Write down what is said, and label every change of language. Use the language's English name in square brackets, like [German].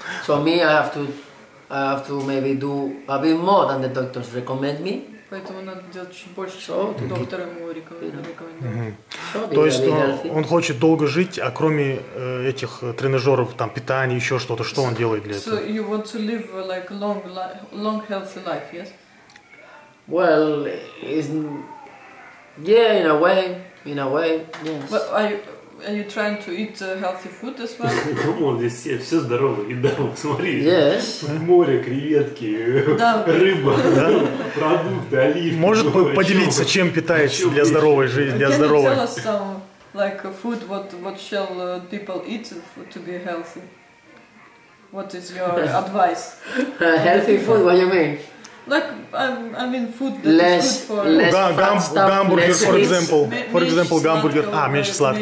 [English] So me, I have to maybe do a bit more than the doctors recommend me. [Russian] Поэтому надо делать чуть больше, чтобы доктор ему рекомендовал. То есть он хочет долго жить, а кроме этих тренажеров, там питания, еще что-то, что он делает для этого? [English] So you want to live like long healthy life, yes? Well, in a way, yes. But are you trying to eat healthy food as well? Come on, [Russian] здесь все здорово, и да, смотри. [English] Yes. [Russian] Море, креветки, рыба, продукты, оливки. Может поделиться, чем питаешься для здоровой жизни, для здоровой? [English] Can you tell us some like food what shall people eat to be healthy? What is your advice? Healthy food, what you mean? Like, I mean food that less, is good for... [Russian] Гамбургер, [English] for example. For example, [Russian] гамбургер. А, меньше сладкого.